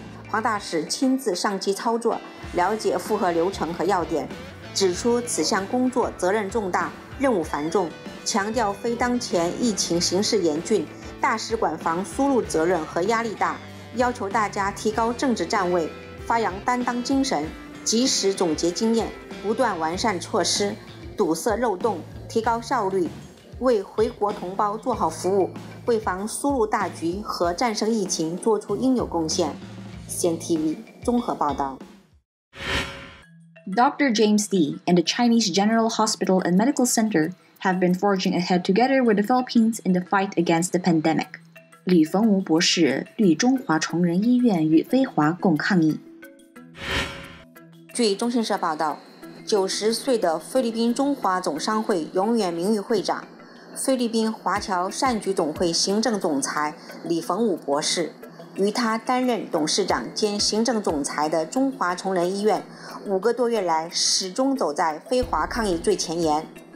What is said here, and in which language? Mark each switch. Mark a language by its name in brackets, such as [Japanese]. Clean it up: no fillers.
[Chinese] 黄大使亲自上机操作，了解复核流程和要点，指出此项工作责任重大，任务繁重，强调非当前疫情形势严峻，大使馆房输入责任和压力大，要求大家提高政治站位，发扬担当精神，及时总结经验，不断完善措施，堵塞漏洞，提高效率，为回国同胞做好服务，为防输入大局和战胜疫情做出应有贡献。 Cntv 综合报道。 [English] Dr. James D. and the Chinese General Hospital and Medical Center have been forging ahead together with the Philippines in the fight against the pandemic. [Chinese] 李冯吴博士与中华崇仁医院与非华共抗疫。据中新社报道，90岁的菲律宾中华总商会永远名誉会长、菲律宾华侨善举总会行政总裁李冯吴博士，与他担任董事长兼行政总裁的中华崇仁医院5个多月来始终走在非华抗疫最前沿。